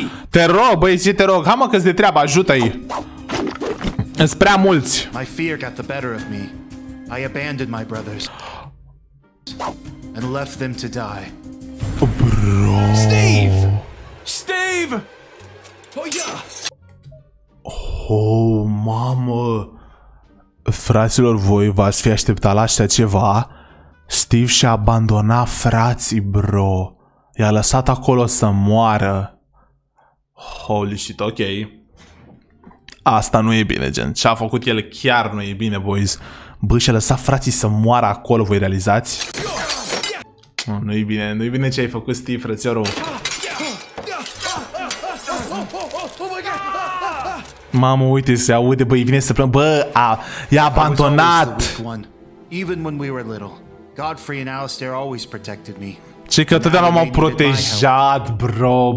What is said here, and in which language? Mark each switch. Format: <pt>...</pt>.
<ro>Te rog, băieți, ce te rog? Hai, mă, că-ți de treabă, ajută-i. Sunt prea mulți.</ro> <en>My fear got the better of me. I abandoned my brothers. And left them to die. Bro. Steve! Oh, yeah.</en> <ro>Oh, mamă! Fraților, voi v-ați fi așteptat la așa ceva? Steve și-a abandonat frații, bro. I-a lăsat acolo să moară.</ro> <en>Holy shit, ok.</en> <ro>Asta nu e bine, gen. Ce-a făcut el chiar nu e bine, boys. Bă, și-a lăsat frații să moară acolo, voi realizați? Nu-i bine, nu-i bine ce ai făcut, Steve, frățiorul. Mamă, uite, se aude, băi, vine să plângă. Bă, i-a abandonat.</ro> <en>Even when we were little, Godfrey and Alistair always protected me.</en> <ro>Ce că totdeauna m-au protejat, bro.</ro>